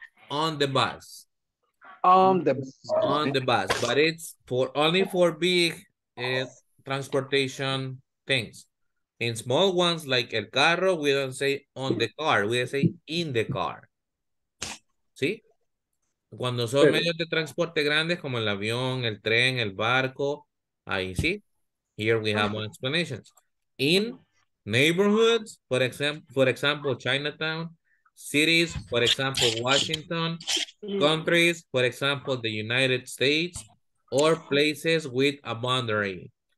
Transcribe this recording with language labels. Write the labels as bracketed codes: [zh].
[en] On the bus. On the bus. On the bus, but it's for only for big transportation things. In small ones like [es] el carro, [en] we don't say on the car, we say in the car. [es] ¿Sí? Cuando son medios de transporte grandes como el avión, el tren, el barco, ahí sí. [en] Here we have more explanations. In neighborhoods, for example, Chinatown, cities, for example, Washington, countries, for example, the United States, or places with a boundary.